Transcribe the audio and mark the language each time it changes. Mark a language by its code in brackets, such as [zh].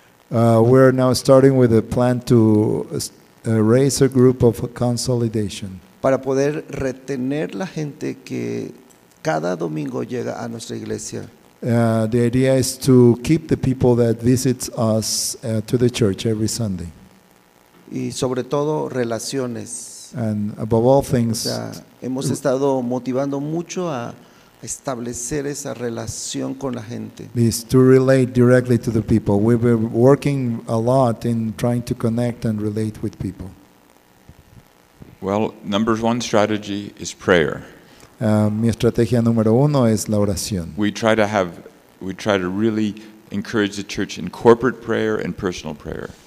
[en] We're now starting with a plan to raise a group of consolidation. [es] para poder retener la gente que cada domingo llega a nuestra iglesia. [en] The idea is to keep the people that visits us to the church every Sunday. [es] Y sobre todo relaciones. [en] And above all things, [es] o sea, hemos estado motivando mucho a establecer esa relación con la gente. [en] Is to relate directly to the people. We've been working a lot in trying to connect and relate with people. Well, number one strategy is prayer. [es] Mi estrategia número uno es la oración. [en] We try to really encourage the church in corporate prayer and personal prayer.